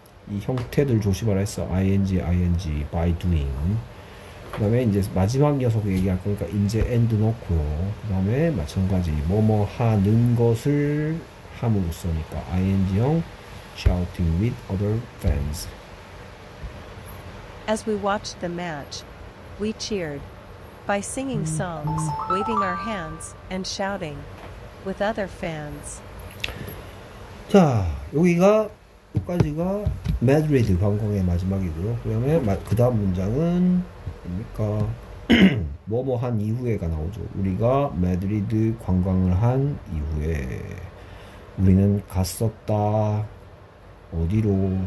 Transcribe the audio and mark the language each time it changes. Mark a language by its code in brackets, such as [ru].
[ko] 이 형태들 조심하라 했어. [en] ing, ing. By doing. [ko] 그 다음에 이제 마지막 녀석 얘기할 거니까 이제 end 넣고요. 그 다음에 마찬가지. 뭐뭐 하는 것을 함으로써니까. [en] ing형. Shouting with other fans. As we watched the match, we cheered by singing songs, waving our hands, and shouting with other fans. [ko] 자, 여기까지가 마드리드 관광의 마지막이고요. 그러면 그 다음 문장은 뭡니까? 뭐뭐한 이후에가 나오죠. 우리가 마드리드 관광을 한 이후에 우리는 갔었다. 어디로?